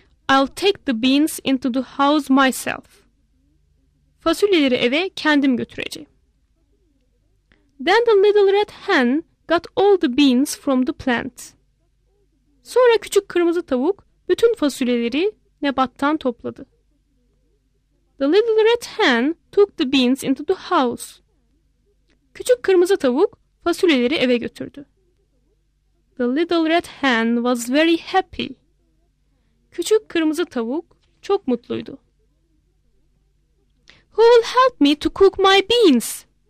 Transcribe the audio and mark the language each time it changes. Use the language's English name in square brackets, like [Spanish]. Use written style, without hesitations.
[English] I'll take the beans into the house myself. [Turkish] Fasulyeleri eve kendim götüreceğim. [English] Then the little red hen got all the beans from the plant. [Turkish] Sonra küçük kırmızı tavuk bütün fasulyeleri nebattan topladı. [English] The little red hen took the beans into the house. [Turkish] Küçük kırmızı tavuk fasulyeleri eve götürdü. [English] The little red hen was very happy. [Turkish] Küçük kırmızı tavuk çok mutluydu. [English] Who will help me to cook my beans?